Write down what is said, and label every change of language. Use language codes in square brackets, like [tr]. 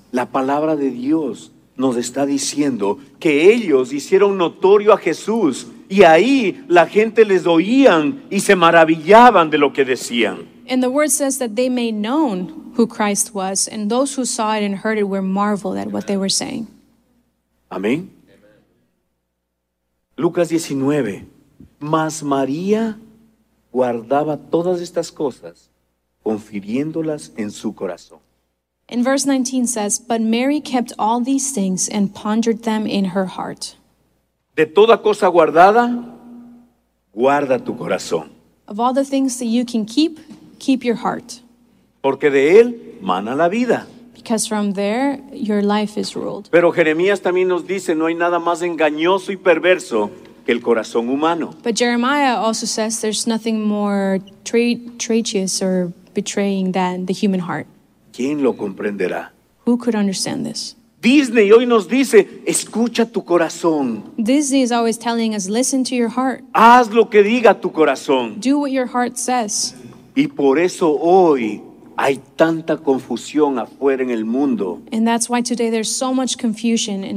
[es] La palabra de Dios nos está diciendo que ellos hicieron notorio a Jesús y ahí la gente les oían y se maravillaban de lo que decían. [en] And the word says that they made known who Christ was, and those who saw it and heard it were marveled at what they were saying. [es] Amén. Lucas 19. Mas María guardaba todas estas cosas, confiriéndolas en su corazón. [en] In verse 19 says, but Mary kept all these things and pondered them in her heart. [es] De toda cosa guardada, guarda tu corazón. [en] Of all the things that you can keep, keep your heart. [es] Porque de él mana la vida. [en] Because from there, your life is ruled. [es] Pero Jeremías también nos dice, no hay nada más engañoso y perverso que el corazón humano. [en] But Jeremiah also says, there's nothing more treacherous or betraying than the human heart. [es] ¿Quién lo comprenderá? [en] Who could understand this? [es] Disney hoy nos dice, escucha tu corazón. [en] Disney is always telling us, listen to your heart. [es] Haz lo que diga tu corazón. [en] Do what your heart says. [es] Y por eso hoy hay tanta confusión afuera en el mundo. [en] And that's why today there's so much confusion in